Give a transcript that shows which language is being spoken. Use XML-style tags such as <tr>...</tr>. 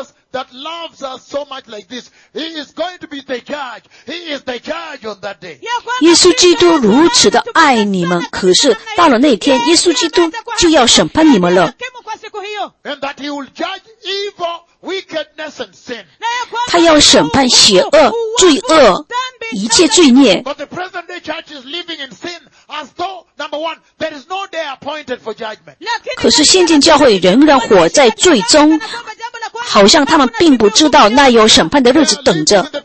<en>That loves us so much like this, he is going to be the judge. He is the judge on that day.</en> <zh>耶稣基督如此的爱你们，可是到了那天，耶稣基督就要审判你们了。</zh> <en>And that he will judge evil, wickedness, and sin.</en> <zh>他要审判邪恶、罪恶、一切罪孽。</zh> <en>But the present day church is living in sin, as though number one, there is no day appointed for judgment.</en> <zh>可是现今教会仍然活在罪中。好像他们并不知道那有审判的日子等着。</zh>